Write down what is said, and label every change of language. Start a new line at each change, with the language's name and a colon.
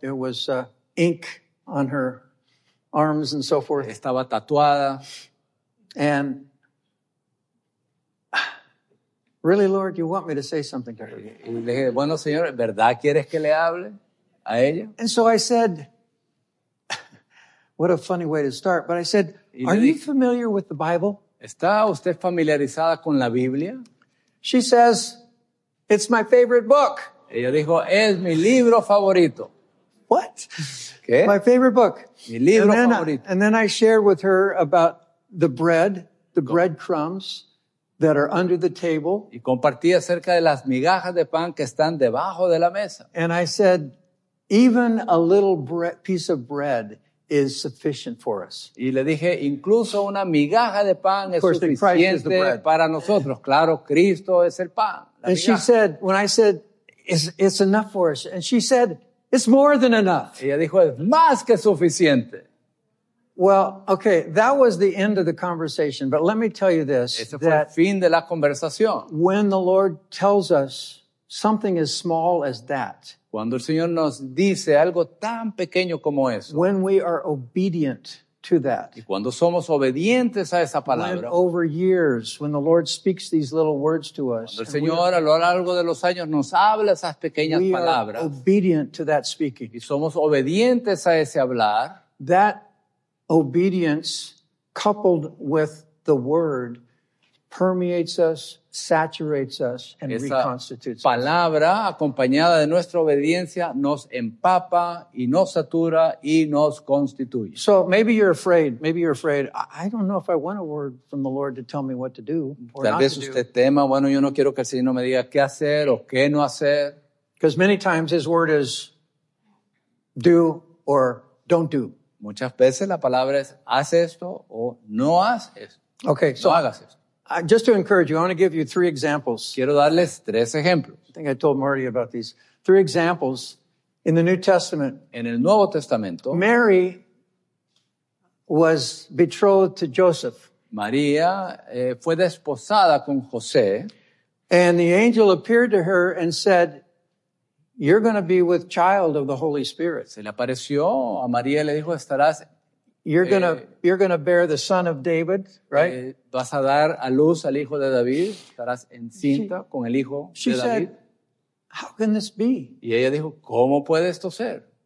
English: There was ink on her arms and so forth.
Spanish: Estaba tatuada.
English: And really, Lord, you want me to say something to her?
Spanish: Y le dije, bueno, señor, ¿verdad quieres que le hable a ella?
English: And so I said, what a funny way to start. But I said, are you familiar with the Bible?
Spanish: ¿Está usted familiarizada con la Biblia?
English: She says, it's my favorite book.
Spanish: Ella dijo, es mi libro favorito.
English: What?
Spanish: ¿Qué?
English: My favorite book.
Spanish: Mi libro favorito.
English: And then I shared with her about the bread, the breadcrumbs that are under the table.
Spanish: Y compartí acerca de las migajas de pan que están debajo de la mesa.
English: And I said, even a little piece of bread is sufficient for us.
Spanish: Y le dije, incluso una migaja de pan es suficiente para nosotros. Claro, Cristo es el pan.
English: And she said, when I said, it's enough for us. And she said, it's more than enough.
Spanish: Ella dijo, es más que suficiente.
English: Well, okay, that was the end of the conversation. But let me tell you this.
Spanish: Ese fue el fin de la conversación.
English: When the Lord tells us something as small as that.
Spanish: Cuando el Señor nos dice algo tan pequeño como eso.
English: When we are obedient to that.
Spanish: Y cuando somos obedientes a esa palabra.
English: When over years, when the Lord speaks these little words to us.
Spanish: Cuando el Señor a lo largo de los años nos habla esas pequeñas palabras.
English: We are obedient to that speaking.
Spanish: Y somos obedientes a ese hablar.
English: That obedience coupled with the word permeates us, saturates us, and reconstitutes us.
Spanish: Palabra acompañada de nuestra obediencia nos empapa y nos satura y nos constituye.
English: So maybe you're afraid. Maybe you're afraid. I don't know if I want a word from the Lord to tell me what to do or
Spanish: tal
English: not
Spanish: vez
English: to
Spanish: usted
English: do.
Spanish: Tema, bueno, yo no quiero que el Señor me diga qué hacer o qué no hacer.
English: Because many times his word is do or don't do.
Spanish: Muchas veces la palabra es haz esto o no haz esto.
English: Okay,
Spanish: no
English: so
Spanish: hagas esto.
English: Just to encourage you, I want to give you three examples.
Spanish: Quiero darles tres ejemplos.
English: I think I told Marty about these. Three examples in the New Testament.
Spanish: En el Nuevo Testamento.
English: Mary was betrothed to Joseph.
Spanish: María fue desposada con José.
English: And the angel appeared to her and said, you're going to be with child of the Holy Spirit.
Spanish: Se le apareció a María y le dijo, estarás
English: You're gonna bear the son of David, right?
Spanish: Vas a dar a luz al hijo de David. Estarás encinta con el hijo de David.
English: She said, "How can this be?"
Spanish: Y ella dijo, ¿cómo puede esto ser?